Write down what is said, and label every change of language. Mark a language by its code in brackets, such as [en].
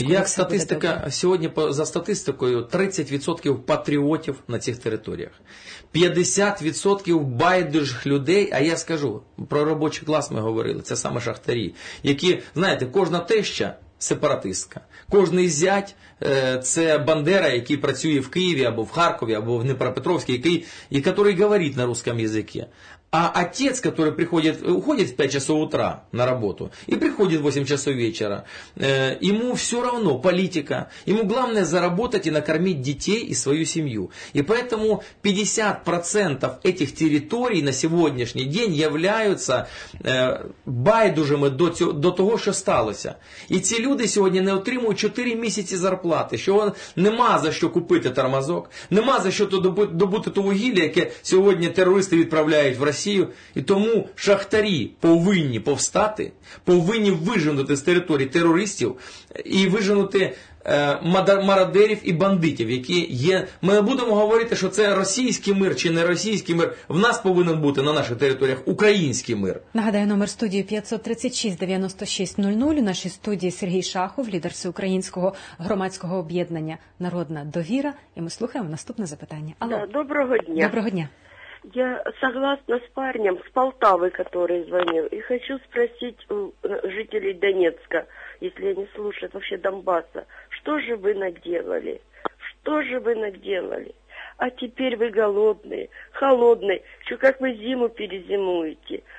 [uk] як статистика сьогодні, за статистикою, 30% патріотів на цих територіях, 50% байдужих людей. А я скажу, про робочий клас ми говорили, це саме шахтарі, які, знаєте, кожна теща сепаратистка, кожний зять це бандера, який працює в Києві або в Харкові, або в Дніпропетровській, який говорить [ru] на русском язикі. А отец, который приходит, уходит в 5 часов утра на работу и приходит в 8 часов вечера, ему все равно политика, ему главное заработать и накормить детей и свою семью. И поэтому 50% этих территорий на сегодняшний день являются байдужими до того, что сталося. И эти люди сегодня не отримают 4 месяца зарплаты, что нема за что купить тормозок, нема за что [uk] добути то вугілля, яке [ru] сегодня террористы отправляют в Россию. [uk] І тому шахтарі повинні повстати, повинні виженути з території терористів і виженути мародерів і бандитів, які є. Ми не будемо говорити, що це російський мир чи не російський мир. В нас повинен бути на наших територіях український мир. Нагадаю, номер студії 536-9600. У нашій студії Сергій Шахов, лідер всеукраїнського громадського об'єднання «Народна довіра». І ми слухаємо наступне запитання. Алло. Доброго дня. Доброго дня. [ru] Я согласна с парнем с Полтавы, который звонил, и хочу спросить у жителей Донецка, если они слушают вообще Донбасса, что же вы наделали? что же вы наделали? А теперь вы голодные, холодные, что как вы зиму перезимуете.